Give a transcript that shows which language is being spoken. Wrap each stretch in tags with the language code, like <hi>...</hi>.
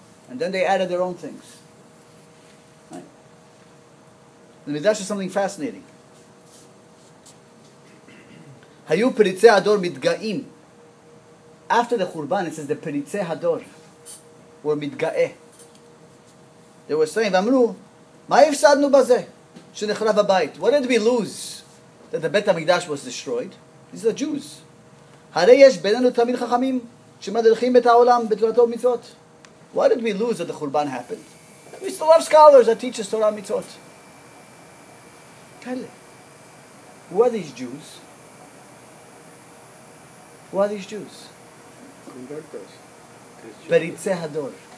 <en>And then they added their own things. Right? I mean, that's just something fascinating.</en> <he>היו פריצי הדור מתגאים.</he> <en>After the חורבן, it says the פריצי הדור were מתגאה. They were saying,</en> <he>ואמרו, מה הפסדנו בזה? שנחרב הבית.</he> <en>What did we lose? That the בית המקדש was destroyed. These are Jews.</en> <he>הרי יש בינינו תמיד חכמים שמדריכים את העולם בתורתו ומצוות.</he> <en>What did we lose that the חורבן happened? We still have scholars that teach us Torah ומצוות. כאלה. Who are these Jews? Who are these Jews? Converters.</en> <he>Peritze Hador.</he>